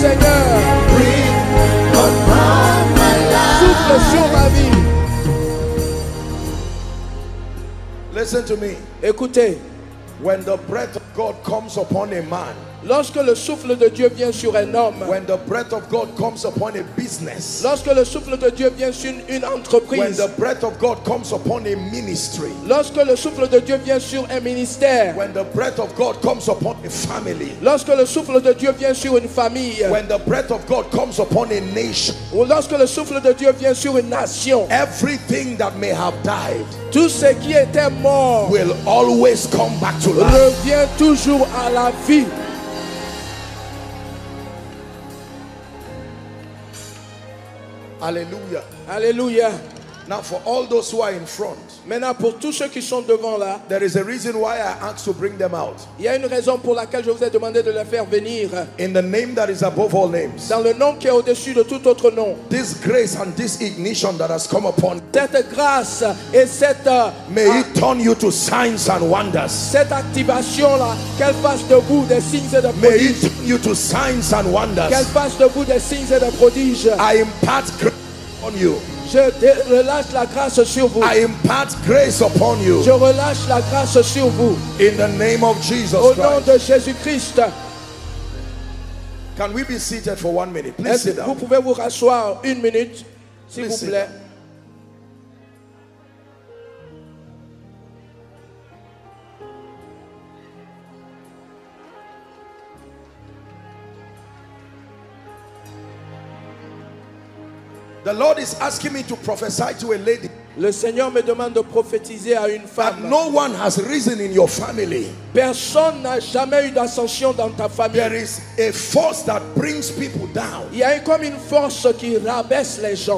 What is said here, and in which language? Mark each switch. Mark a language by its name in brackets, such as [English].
[French] Seigneur. [English] Breathe upon my life. Listen to me. [French] Écoutez. [English] When the breath of God comes upon a man, [French] lorsque le souffle de Dieu vient sur un homme, [English] when the breath of God comes upon a business, [French] lorsque le souffle de Dieu vient sur une entreprise, [English] when the breath of God comes upon a ministry, [French] lorsque le souffle de Dieu vient sur un ministère, [English] when the breath of God comes upon a family, [French] lorsque le souffle de Dieu vient sur une famille, [English] when the breath of God comes upon a nation, [French] ou lorsque le souffle de Dieu vient sur une nation, [English] everything that may have died, [French] tout ce qui était mort, [English] will always come back to life, [French] revient toujours à la vie. Hallelujah. Hallelujah. [English] Now for all those who are in front. [French] Maintenant pour tous ceux qui sont devant là. [English] There is a reason why I asked to bring them out. [French] Il y a une raison pour laquelle je vous ai demandé de les faire venir. [English] In the name that is above all names. [French] Dans le nom qui est au-dessus de tout autre nom. [English] This grace and this ignition that has come upon. [French] Cette grâce et cette [English] may it turn you to signs and wonders. [French] Cette activation là, qu'elle fasse de vous des signes et des prodiges. [English] May it turn you to signs and wonders. [French] Qu'elle fasse de vous des signes et des prodiges. [English] I impart grace on you. [French] Je relâche la grâce sur vous. [English] I impart grace upon you. [French] Je relâche la grâce sur vous. [English] In the name of Jesus [French] au [English] Christ. [French] Au nom de Jésus Christ. [English] Can we be seated for 1 minute? Please sit down. [French] Vous pouvez vous rasseoir une minute, s'il [English] please [French] vous plaît. [English] The Lord is asking me to prophesy to a lady. [French] Le Seigneur me demande de prophétiser à une femme. [English] That no one has risen in your family. [French] Personne n'a jamais eu d'ascension dans ta famille. [English] There is a force that brings people down. [French] Il y a comme une force qui rabaisse les gens.